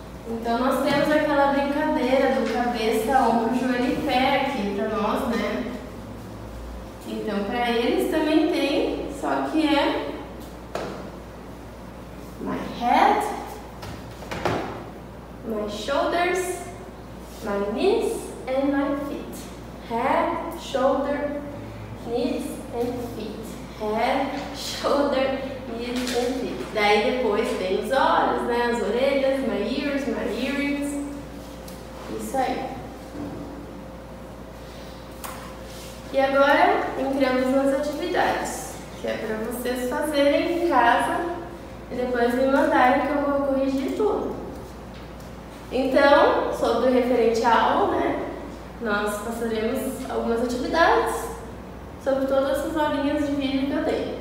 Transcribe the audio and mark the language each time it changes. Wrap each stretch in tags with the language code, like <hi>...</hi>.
<pt>Então nós temos aquela brincadeira do cabeça, ombro, joelho e pé aqui para nós, né? Então para eles também tem, só que é</pt> <en>my head, my shoulders, my knees and my feet. Head, shoulder, knees and feet. Head, shoulder, knees and feet.</en> <pt>Daí depois tem os olhos, né? As orelhas,</pt> <en>my ears, my earrings.</en> <pt>Isso aí. E agora entramos nas atividades, que é para vocês fazerem em casa e depois me mandarem que eu vou corrigir tudo. Então, sobre o referente à aula, né, nós passaremos algumas atividades sobre todas essas aulinhas de vídeo que eu dei.</pt>